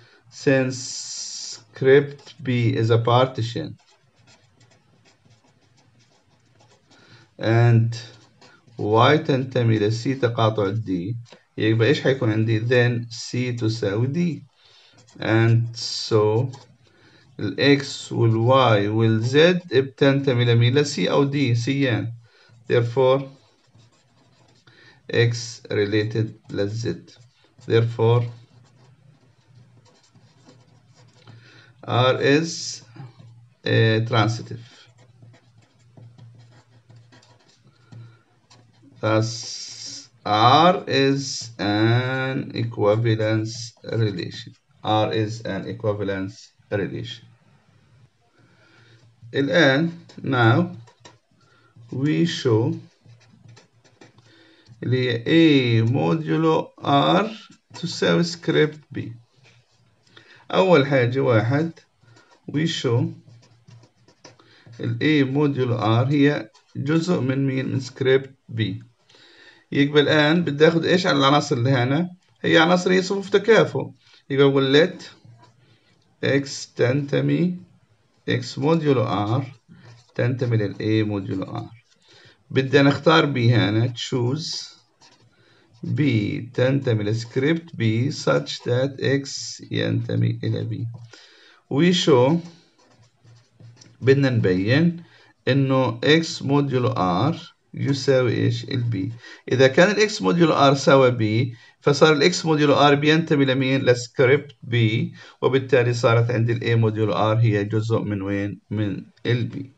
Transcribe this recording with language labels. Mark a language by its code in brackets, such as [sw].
[en] Since script B is a partition and Y [ar] تنتمي لسي تقاطع دي، يبقى ايش حيكون عندي؟ [en] then C [ar] تساوي دي. and so ال x وال y وال z بتنتمي لمين؟ ل سي أو دي سيان. [en] therefore x related لل z. therefore R is transitive. Thus, R is an equivalence relation. R is an equivalence relation. [ar] الآن, [en] now, we show [ar] اللي A modulo R to subscript B. أول حاجة واحد [en] we show [ar] ال A modulo R هي جزء من مين؟ من script B. يقبل الآن بدي أخذ إيش على العناصر اللي هنا؟ هي عناصر هي صفوف تكافؤ. يقول let X تنتمي X modulo R تنتمي لل A modulo R. بدي نختار B هنا [en] choose B [ar] تنتمي لسكريبت B [en] such that [ar] X ينتمي إلى B. [en] We show [ar] بدنا نبين إنه X modulo R يساوي إيش؟ ال B. إذا كان ال X modulo R سوى B فصار ال X modulo R بينتمي لمين؟ لسكريبت B، وبالتالي صارت عندي ال A modulo R هي جزء من وين؟ من ال B.